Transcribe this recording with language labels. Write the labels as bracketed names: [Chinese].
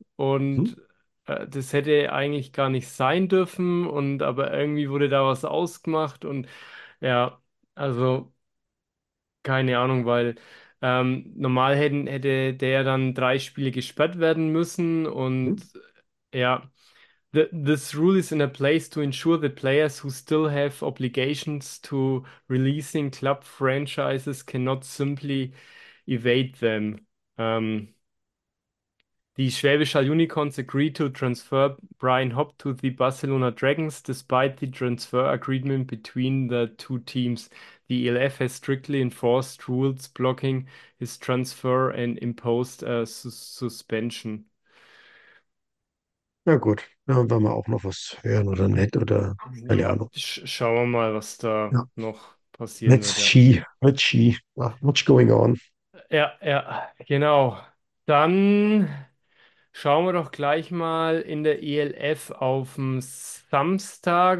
[German] Und das hätte eigentlich gar nicht sein dürfen. Und aber irgendwie wurde da was ausgemacht. Und ja, also keine Ahnung, weil normal hätte der dann 3 Spiele gesperrt werden müssen. Und ja. [English] This rule is in a place to ensure that players who still have obligations to releasing club franchises cannot simply evade them. The Schwäbisch Hall Unicorns agreed to transfer Brian Hopp to the Barcelona Dragons despite the transfer agreement between the two teams. The ELF has strictly enforced rules blocking his transfer and imposed a suspension. [German] Na gut, dann werden wir auch noch was hören oder nett oder keine Ahnung. Schauen wir mal, was da Ja. noch passieren wird. Ja, [English] Let's see, let's see. What's going on? [German] genau. Dann schauen wir doch gleich mal in der ELF auf dem Samstag.